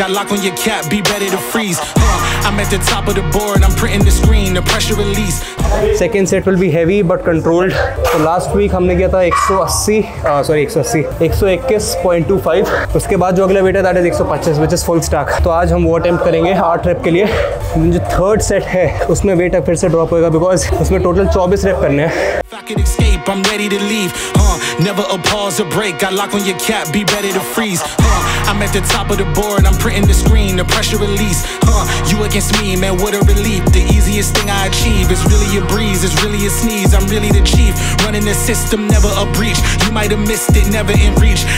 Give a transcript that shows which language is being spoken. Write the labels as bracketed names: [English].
[English] I lock on your cap, be ready to freeze. I'm at the top of the board, I'm printing the screen. The pressure release. Second set will be heavy but controlled. So last week, we got 121.25. Uske baad jo agla weight hai, that is 125, which is full stack. So today, we will attempt for 8 reps. The third set, the weight will drop again. [Hindi] Because उसमें total 24 rape करने हैं। [English] I'm ready to leave, never a pause or break. I lock on your cap, be ready to freeze. I'm at the top of the board, I'm printing the screen, the pressure release. You against me, man, what a relief. The easiest thing I achieve is really a breeze, it's really a sneeze. I'm really the chief, running the system, never a breach. You might have missed it, never in reach.